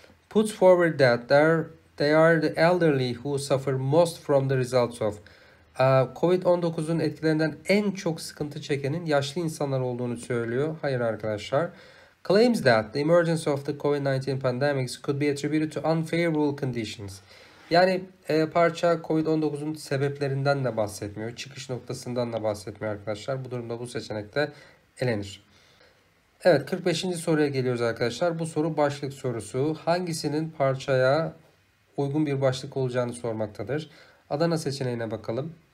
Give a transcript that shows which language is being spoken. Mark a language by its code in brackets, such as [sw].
[en] Puts forward that they are the elderly who suffer most from the results of. [tr] Covid-19'un etkilerinden en çok sıkıntı çekenin yaşlı insanlar olduğunu söylüyor. Hayır arkadaşlar. [en] Claims that the emergence of the COVID-19 pandemics could be attributed to unfavorable conditions. [tr] Yani parça Covid-19'un sebeplerinden de bahsetmiyor. Çıkış noktasından da bahsetmiyor arkadaşlar. Bu durumda bu seçenek de elenir. Evet, 45. soruya geliyoruz arkadaşlar. Bu soru başlık sorusu. Hangisinin parçaya uygun bir başlık olacağını sormaktadır. Adana seçeneğine bakalım.